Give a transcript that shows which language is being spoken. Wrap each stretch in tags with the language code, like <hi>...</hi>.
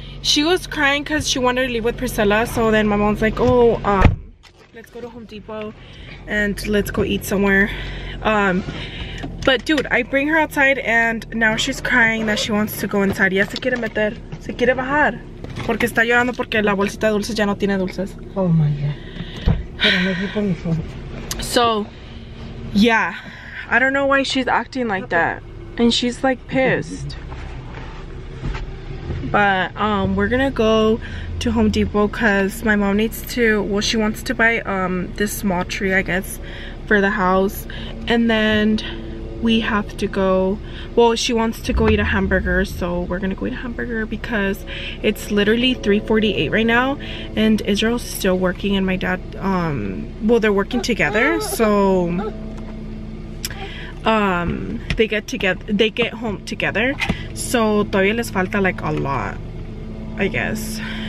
<en>She was crying because she wanted to leave with Priscilla. So then my mom's like, oh, let's go to Home Depot and let's go eat somewhere. But dude, I bring her outside and now she's crying that she wants to go inside.</en> <es>¿Ya se quiere meter? ¿Se quiere bajar? Porque está llorando porque la bolsita de dulces ya no tiene dulces.</es> <en>Oh my God. So, yeah. I don't know why she's acting like that. And she's like pissed. But we're gonna go to Home Depot because my mom needs to, well, she wants to buy this small tree, I guess, for the house. And then we have to go, well, she wants to go eat a hamburger, so we're gonna go eat a hamburger because it's literally 3:48 right now and Israel's still working and my dad, well, they're working together, so they get home together. So</en> <es>todavía les falta</es> <en>like a lot, I guess.</en>